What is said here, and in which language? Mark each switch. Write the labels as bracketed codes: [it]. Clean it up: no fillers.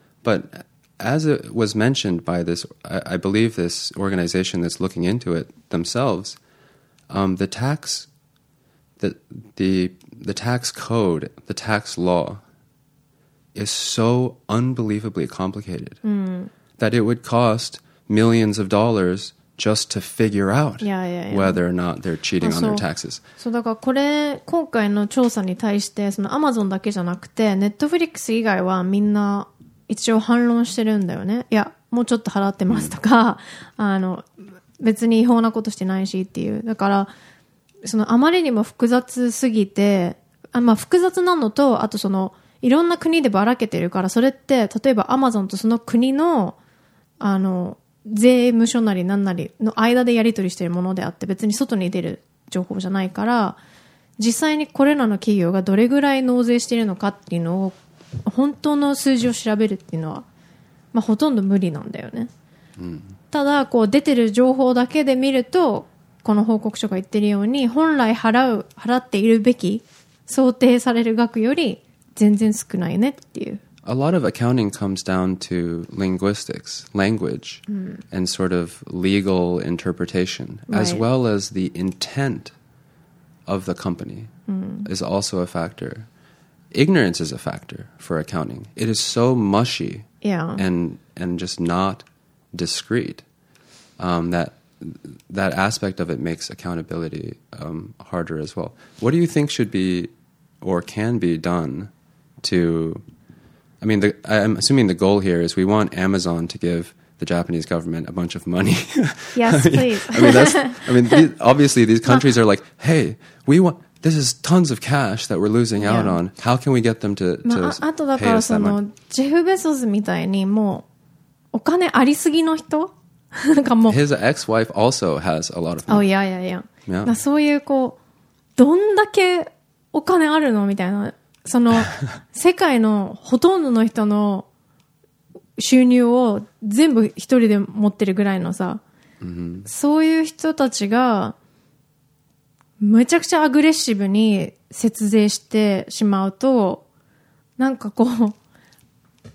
[en] But as it was mentioned by this, I believe this organization that's looking into it themselves, the tax, the tax code, the tax law is so unbelievably complicated that it would cost millions of dollars just to figure out whether or not they're cheating on their taxes. [ja] そう、だからこれ、今回の調査に対して、そのアマゾンだけじゃなくて、ネットフリックス以外はみんな一応反論してるんだよね。いや、もうちょっと払ってますとか、あの、別に違法なことしてないしっていう。だから、そのあまりにも複雑すぎて、あ、まあ複雑なのと、あとその、いろんな国でばらけてるから、それって、例えばアマゾンとその国の、あの、税務署なり何なりの間でやり取りしているものであって別に外に出る情報じゃないから実際にこれらの企業がどれぐらい納税しているのかっていうのを本当の数字を調べるっていうのは、まあ、ほとんど無理なんだよね、うん、ただこう出てる情報だけで見るとこの報告書が言ってるように本来払っているべき想定される額より全然少ないねっていう。 [en] A lot of accounting comes down to linguistics, language, and sort of legal interpretation, as well as the intent of the company is also a factor. Ignorance is a factor for accounting. It is so mushy and just not discreet that aspect of it makes accountability harder as well. What do you think should be or can be done to... I mean, I'm assuming the goal here is we want Amazon to give the Japanese government a bunch of money. Yes, I mean, please. obviously, these countries are like, hey, we want this is tons of cash that we're losing out on. How can we get them to pay us that money? [ja] あとだからその、ジェフ・ベゾスみたいにもうお金ありすぎの人なんかもう。 [en] His ex-wife also has a lot of money. Oh, yeah. [ja] そういうこう、どんだけお金あるのみたいな。その世界のほとんどの人の収入を全部一人で持ってるぐらいのさ、そういう人たちがめちゃくちゃアグレッシブに節税してしまうと、なんかこう、